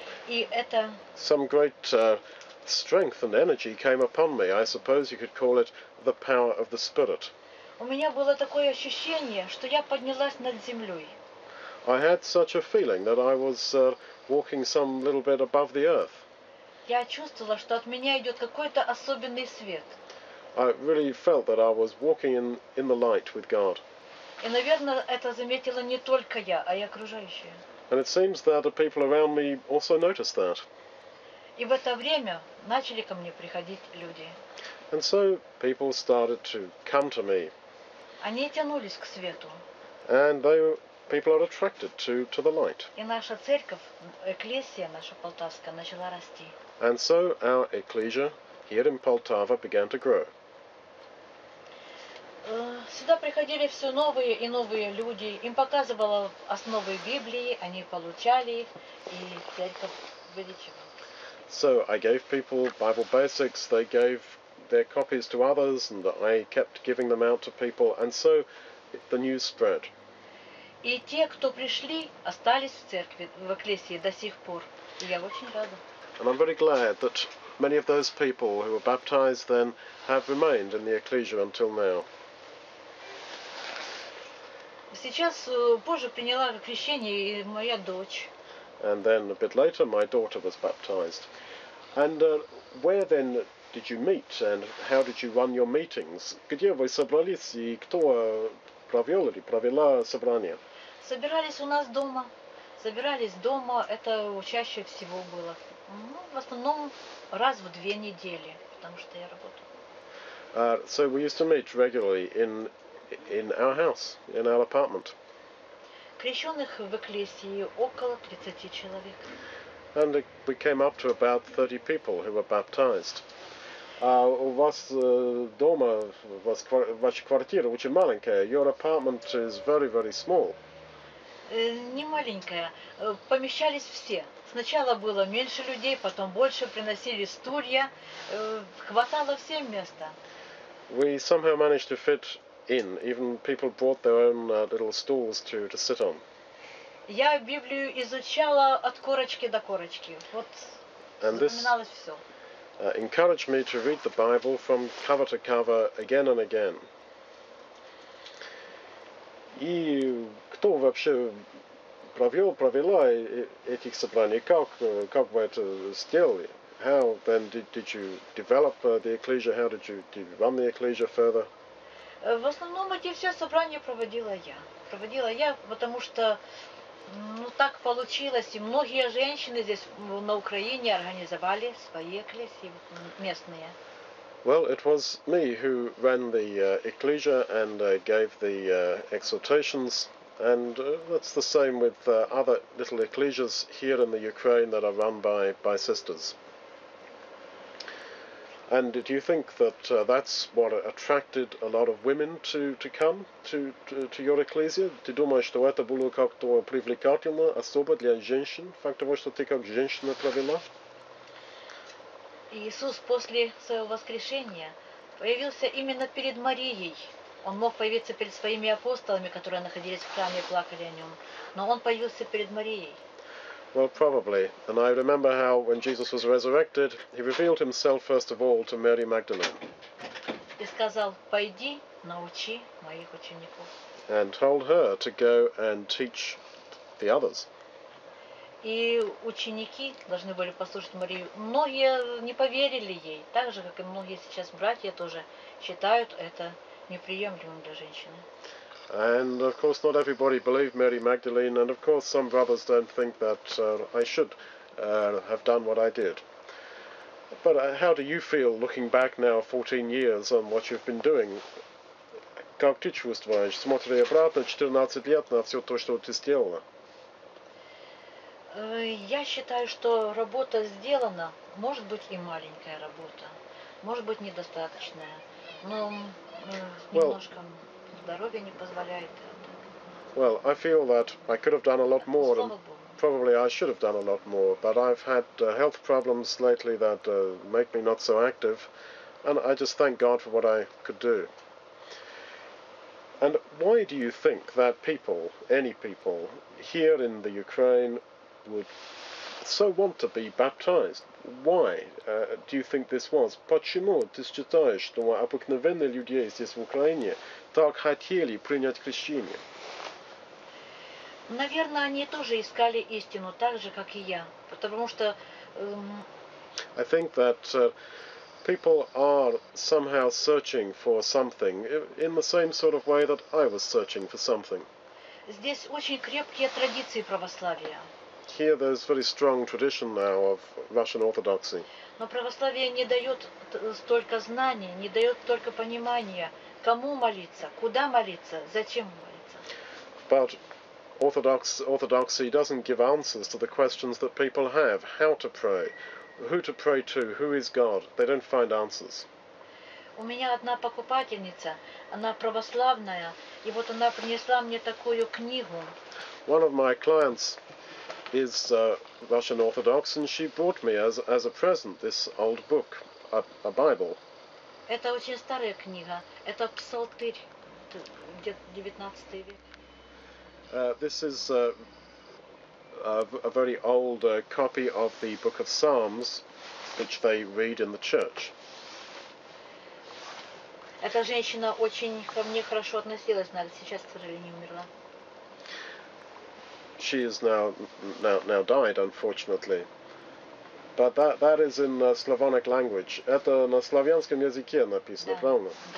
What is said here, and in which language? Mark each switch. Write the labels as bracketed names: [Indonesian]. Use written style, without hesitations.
[Russian] И это... [English] Some great strength and energy came upon me. I suppose you could call it the power of the Spirit. [Russian] У меня было такое ощущение, что я поднялась над землей. [English] I had such a feeling that I was walking some little bit above the earth. [Russian] Я чувствовала, что от меня идет какой-то особенный свет. [English] I really felt that I was walking in the light with God. [Russian] И, наверное, это заметила не только я, а и окружающие. [English] And it seems that the people around me also noticed that. [Russian] И в это время начали ко мне приходить люди. [English] And so people started to come to me. [Russian] Они тянулись к свету. [English] And they were, people are attracted to the light. [Russian] И наша церковь, экклесия наша полтавская, начала расти. [English] And so our ecclesia here in Poltava began to grow. [Russian] Сюда приходили все новые и новые люди. Им показывала основы Библии, они получали их, и церковь увеличивала. [English] So I gave people Bible Basics, they gave their copies to others, and I kept giving them out to people, and so the news spread. [Russian] И те, кто пришли, остались в церкви, в экклесии до сих пор. И я очень рада. [English] And I'm very glad that many of those people who were baptized then have remained in the ecclesia until now. [Russian] Сейчас позже приняла крещение и моя дочь. [English] And then a bit later, my daughter was baptized. And where then did you meet, and how did you run your meetings? [Russian] Где вы собрались, и кто провел или провела собрание? Собирались у нас дома. Собирались дома, это чаще всего было. Ну, в основном раз в две недели, потому что я работаю. [English] So we used to meet regularly in our house, in our apartment. [Russian] Крещённых в экклесии около 30 человек. [English] And we came up to about 30 people who were baptized. [Russian] У вас дома, ваша квартира очень маленькая. [English] Your apartment is very, very small. [Russian] Не маленькая. Помещались все. Сначала было меньше людей, потом больше, приносили стулья. Хватало всем места. [English] We somehow managed to fit in. Even people brought their own little stools to sit on. [Russian] Я Библию изучала от корочки до корочки. Вот запоминалось всё. [English] Encouraged me to read the Bible from cover to cover again and again. [Russian] И кто вообще провела этих собраний? Как вы это сделали? [English] How then did you develop the ecclesia? How did you run the ecclesia further? [Russian] В основном эти все собрания проводила я. Проводила я, потому что ну так получилось, и многие женщины здесь на Украине организовали свои экклесии местные. [English] Well, it was me who ran the ecclesia and gave the exhortations And that's the same with other little ecclesias here in the Ukraine that are run by sisters. And do you think that that's what attracted a lot of women to come to your ecclesia? [Ukrainian] Ти думаєш, що це було [Russian] як-то привлекательно, особо для женщин, фактом, [Ukrainian] що ти як [Russian] женщина провела? Иисус после своего воскрешения появился именно перед Марией. Он мог появиться перед своими апостолами, которые находились в храме и плакали о нем. Но он появился перед Марией. [English] Well, probably. And I remember how when Jesus was resurrected, he revealed himself first of all to Mary Magdalene. [Russian] И сказал, пойди, научи моих учеников. [English] And told her to go and teach the others. [Russian] И ученики должны были послушать Марию. Многие не поверили ей, так же, как и многие сейчас братья тоже считают это неприемлемым для женщины. [English] And of course not everybody believed Mary Magdalene, and of course some brothers don't think that I should have done what I did. But how do you feel looking back now 14 years on what you've been doing? [Russian] Как ты чувствуешь, смотря обратно 14 лет на все то, что ты сделала? Я считаю, что работа сделана, может быть и маленькая работа, может быть недостаточная, но немножко здоровье не позволяет. [English] Well, I feel that I could have done a lot more, and probably I should have done a lot more, but I've had health problems lately that make me not so active, and I just thank God for what I could do. And why do you think that people, any people, here in the Ukraine would so want to be baptized? Why do you think this was? [Russian] Почему ты считаешь, что обыкновенные люди здесь в Украине так хотели принять крещение? Наверное, они тоже искали истину так же, как и я, потому что [English] I think that people are somehow searching for something in the same sort of way that I was searching for something. [Russian] Здесь очень крепкие традиции православия. [English] Here there's very strong tradition now of Russian Orthodoxy. [Russian] Но православие не дает столько знаний, не дает только понимания, кому молиться, куда молиться, зачем молиться. [English] But Orthodoxy doesn't give answers to the questions that people have: how to pray to, who is God. They don't find answers. [Russian] У меня одна покупательница, она православная, и вот она принесла мне такую книгу. [English] One of my clients is Russian Orthodox, and she brought me as a present this old book, a Bible. [Russian] Это очень старая книга. Это псалтырь, где 19 век. [English] This is a very old copy of the Book of Psalms, which they read in the church. [Russian] Эта женщина очень ко мне хорошо относилась, она сейчас, к сожалению, умерла. [English] She is now died, unfortunately. But that is in Slavonic language. [Russian] Это на славянском языке написано, правильно?